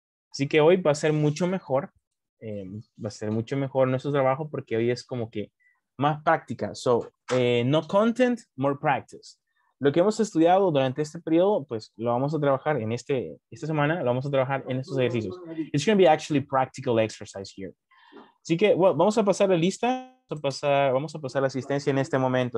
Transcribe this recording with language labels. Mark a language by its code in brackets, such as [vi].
[es] Así que hoy va a ser mucho mejor. Va a ser mucho mejor nuestro trabajo porque hoy es como que más práctica. [en] So, no content, more practice. [es] Lo que hemos estudiado durante este periodo, pues lo vamos a trabajar en esta semana, lo vamos a trabajar en estos ejercicios. [en] It's going to be actually practical exercise here. [es] Así que, bueno, vamos a pasar la lista, vamos a pasar la asistencia en este momento.